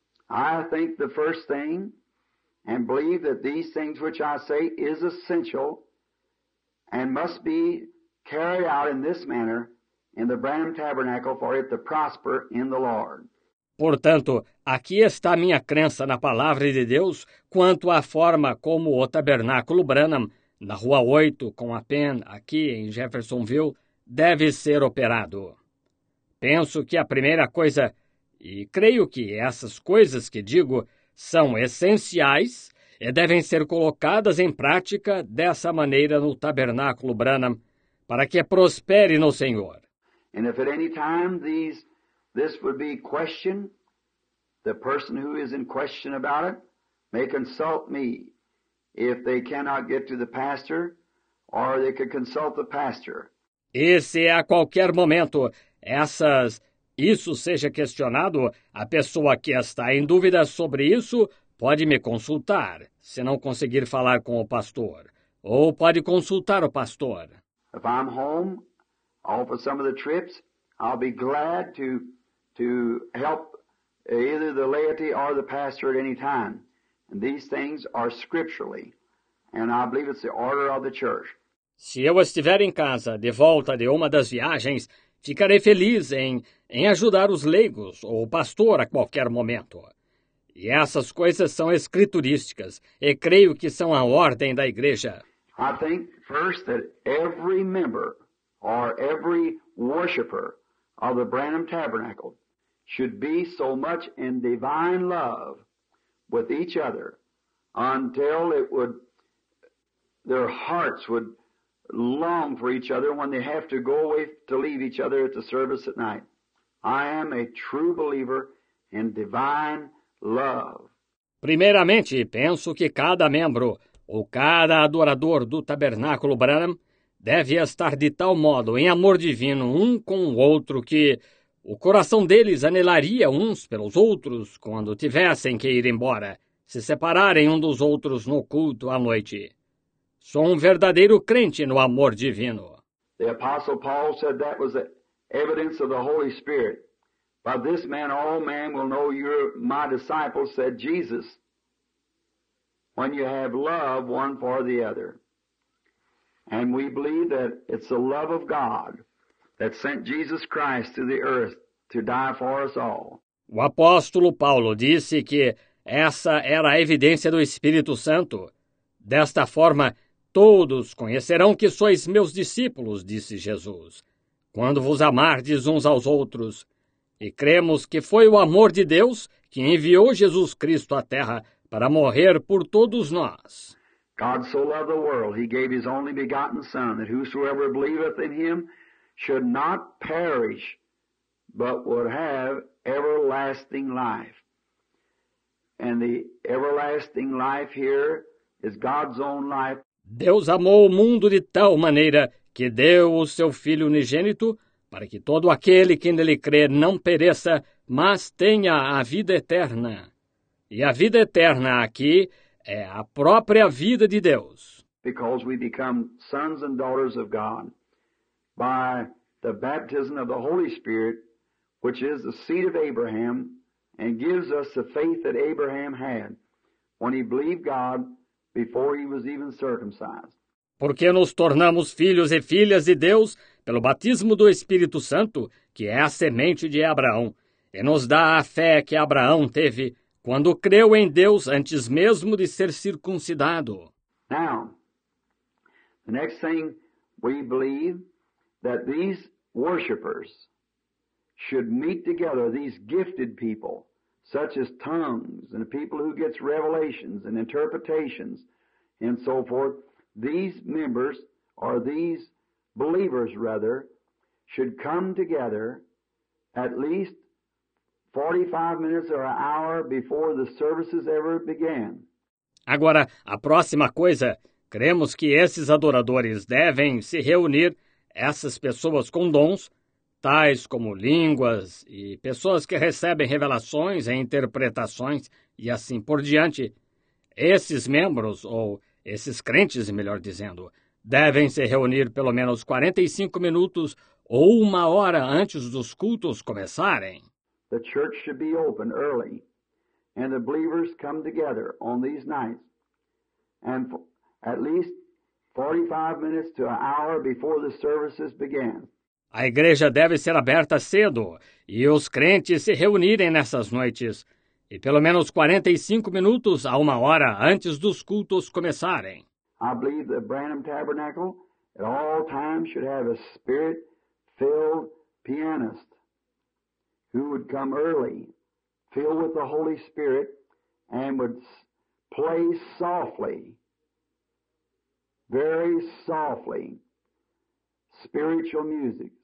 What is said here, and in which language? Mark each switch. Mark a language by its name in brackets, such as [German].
[English] I think the first thing and believe that these things which I say is essential and must be carried out in this manner in the Branham Tabernacle for it to prosper in the Lord. [Portuguese] Portanto, aqui está minha crença na palavra de Deus quanto à forma como o Tabernáculo Branham, na Rua 8 com a Penn, aqui em Jeffersonville, deve ser operado. Penso que a primeira coisa, e creio que essas coisas que digo são essenciais e devem ser colocadas em prática dessa maneira no Tabernáculo Branham, para que prospere no Senhor. [English] And if at any time this would be questioned, the person who is in question about it may consult me if they cannot get to the pastor, or they could consult the pastor. [Portuguese] E se a qualquer momento isso seja questionado, a pessoa que está em dúvida sobre isso pode me consultar, se não conseguir falar com o pastor, ou pode consultar o pastor. [English] If I'm home, or for some of the trips, I'll be glad to help either the laity or the pastor at any time. And these things are scripturally, and I believe it's the order of the church. [Portuguese] Se eu estiver em casa, de volta de uma das viagens, ficarei feliz em ajudar os leigos ou o pastor a qualquer momento. E essas coisas são escriturísticas, e creio que são a ordem da igreja. [English] I think first that every member or every worshiper of the Branham Tabernacle should be so much in divine love with each other until their hearts long for each other when they have to go away to leave each other at the service at night. I am a true believer in divine love. [Portuguese] Primeiramente, penso que cada membro ou cada adorador do Tabernáculo Branham deve estar de tal modo em amor divino um com o outro que o coração deles anelaria uns pelos outros quando tivessem que ir embora, se separarem um dos outros no culto à noite. Sou um verdadeiro crente no amor divino. [English] The Apostle Paul said that was the evidence of the Holy Spirit. By this man, all men will know you're my disciples, said Jesus, when you have love one for the other. And we believe that it's the love of God that sent Jesus Christ to the earth to die for us all. [Portuguese] O apóstolo Paulo disse que essa era a evidência do Espírito Santo. Desta forma, todos conhecerão que sois meus discípulos, disse Jesus, quando vos amardes uns aos outros. E cremos que foi o amor de Deus que enviou Jesus Cristo à terra para morrer por todos nós. [English] God so loved the world, he gave his only begotten Son, that whosoever believeth in him should not perish, but would have everlasting life. And the everlasting life here is God's own life. [Portuguese] Deus amou o mundo de tal maneira que deu o seu Filho unigênito para que todo aquele que nele crê não pereça, mas tenha a vida eterna. E a vida eterna aqui é a própria vida de Deus. [English] Because we become sons and daughters of God by the baptism of the Holy Spirit, which is the seed of Abraham, and gives us the faith that Abraham had when he believed God before he was even circumcised. [Portuguese] Porque nos tornamos filhos e filhas de Deus pelo batismo do Espírito Santo, que é a semente de Abraão, e nos dá a fé que Abraão teve quando creu em Deus antes mesmo de ser circuncidado. [English] Now, the next thing we believe that these worshipers should meet together, these gifted people, such as tongues and the people who gets revelations and interpretations and so forth, these members, or these believers rather, should come together at least 45 minutes or an hour before the services ever began. [Portuguese] Agora, a próxima coisa, cremos que esses adoradores devem se reunir, essas pessoas com dons, tais como línguas e pessoas que recebem revelações e interpretações e assim por diante, esses membros, ou esses crentes, melhor dizendo, devem se reunir pelo menos 45 minutos ou uma hora antes dos cultos começarem. [English] The church should be open early, and the believers come together on these nights, and at least 45 minutes to an hour before the services began. [Portuguese] A igreja deve ser aberta cedo e os crentes se reunirem nessas noites, e pelo menos 45 minutos a uma hora antes dos cultos começarem. [English] I believe the Branham Tabernacle at all times should have a spirit-filled pianist who would come early, filled with the Holy Spirit, and would play softly, very softly, spiritual music.